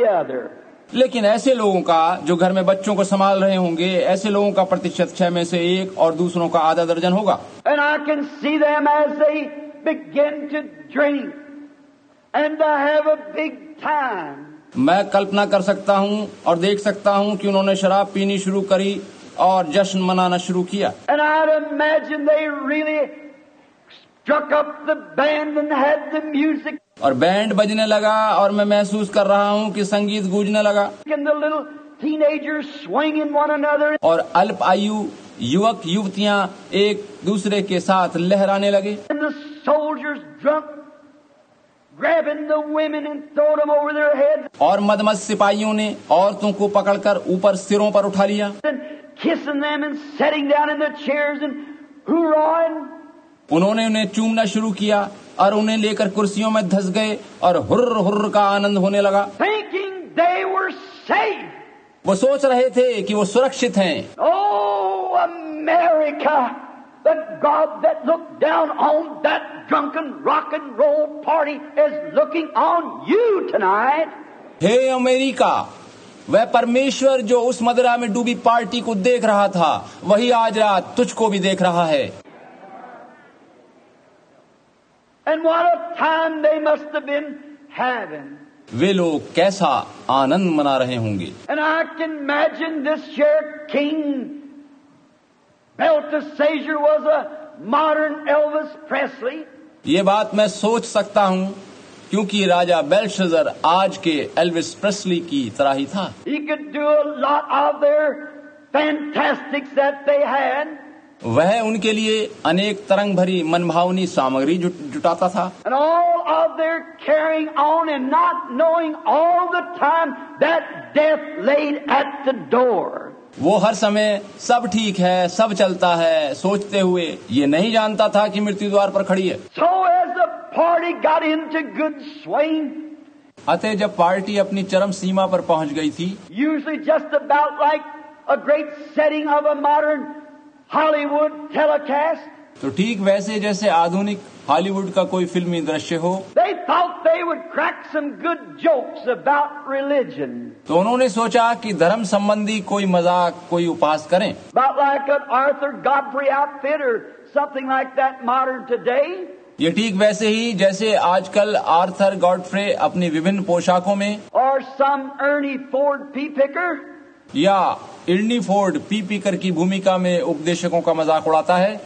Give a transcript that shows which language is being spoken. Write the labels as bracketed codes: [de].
[hi] लेकिन ऐसे लोगों का जो घर में बच्चों को संभाल रहे होंगे, ऐसे लोगों का प्रतिशत 6 में से एक और दूसरों का आधा दर्जन होगा. [en] And I can see them as they begin to drink and they have a big time. [hi] मैं कल्पना कर सकता हूँ और देख सकता हूँ कि उन्होंने शराब पीनी शुरू करी और जश्न मनाना शुरू किया. [en] And I'd imagine they really struck up the band and had the music. [hi] और बैंड बजने लगा और मैं महसूस कर रहा हूँ कि संगीत गूंजने लगा. [en] And the little teenagers swing in one another. [hi] और अल्प आयु युवक युवतियाँ एक दूसरे के साथ लहराने लगे. [en] And the soldiers drunk, grabbing the women and throwing them over their heads. [hi] और मदमस्त सिपाहियों ने औरतों को पकड़कर ऊपर सिरों पर उठा लिया. [en] And kissing them and sitting down in their chairs and hurrahing. [hi] उन्होंने उन्हें चूमना शुरू किया और उन्हें लेकर कुर्सियों में धस गए और हुर्र हुर्र का आनंद होने लगा. [en] Thinking they were safe. [hi] वो सोच रहे थे कि वो सुरक्षित हैं. [en] Oh, America, the God that looked down on that drunken rock and roll party is looking on you tonight. [hi] Hey America, वह परमेश्वर जो उस मदिरा में डूबी पार्टी को देख रहा था, वही आज रात तुझको भी देख रहा है. [en] And what a time they must have been having. [hi] वे लोग कैसा आनंद मना रहे होंगे. [en] And I can imagine this year King Balthasar was a modern Elvis Presley. [hi] ये बात मैं सोच सकता हूँ क्योंकि राजा बेलशजर आज के एल्विस प्रेस्ली की तरह ही था. [en] He could do a lot of their fantastics that they had. [hi] वह उनके लिए अनेक तरंग भरी मनभावनी सामग्री जुटाता था. [en] And all of their carrying on and not knowing all the time that death laid at the door. [hi] वो हर समय सब ठीक है, सब चलता है सोचते हुए ये नहीं जानता था कि मृत्यु द्वार पर खड़ी है. [en] So as the party got into good swing. [hi] अतः जब पार्टी अपनी चरम सीमा पर पहुंच गई थी. [en] Usually just about like a great setting of a modern Hollywood telecast. [hi] तो ठीक वैसे जैसे आधुनिक हॉलीवुड का कोई फिल्मी दृश्य हो. [en] They thought they would crack some good jokes about religion. [hi] तो उन्होंने सोचा कि धर्म संबंधी कोई मजाक कोई उपहास करें. [en] About like an Arthur Godfrey outfit or something like that modern today. [hi] ये ठीक वैसे ही जैसे आजकल आर्थर गॉडफ्रे अपनी विभिन्न पोशाकों में. [en] Or some Ernie Ford pea picker. [hi] या इर्नी फोर्ड पी पीकर की भूमिका में उपदेशकों का मजाक उड़ाता है.